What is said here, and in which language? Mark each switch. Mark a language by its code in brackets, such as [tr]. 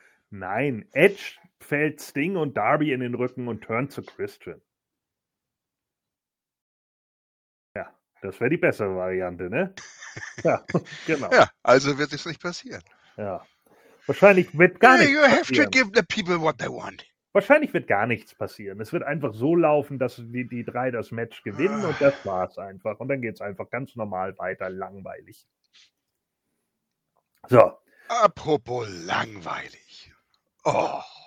[de] Nein. Edge fällt Sting und Darby in den Rücken und turnt zu Christian. Ja, das wäre die bessere Variante, ne? Ja, genau. Ja, also wird es nicht passieren. Ja. Wahrscheinlich wird gar nichts passieren. [en] You have to give the people what they want. [de] Wahrscheinlich wird gar nichts passieren. Es wird einfach so laufen, dass die drei das Match gewinnen und das war's einfach. Und dann geht's einfach ganz normal weiter, langweilig. So. Apropos langweilig. Oh.